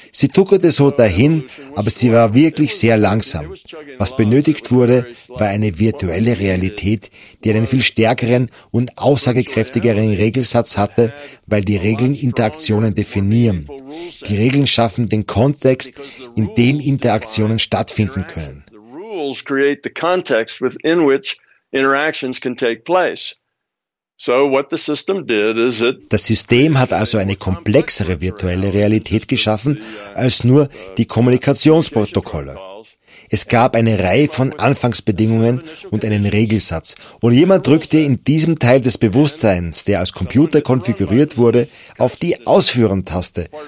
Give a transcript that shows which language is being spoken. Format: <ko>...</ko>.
<de>Sie tuckerte so dahin, aber sie war wirklich sehr langsam. Was benötigt wurde, war eine virtuelle Realität, die einen viel stärkeren und aussagekräftigeren Regelsatz hatte, weil die Regeln Interaktionen definieren. Die Regeln schaffen den Kontext, in dem Interaktionen stattfinden können.</de> <en>Rules create the context within which interactions can take place. So what the system did is it.</en> <de>Das System hat also eine komplexere virtuelle Realität geschaffen als nur die Kommunikationsprotokolle. Es gab eine Reihe von Anfangsbedingungen und einen Regelsatz. Und jemand drückte in diesem Teil des Bewusstseins, der als Computer konfiguriert wurde, auf die Ausführen-Taste.</de>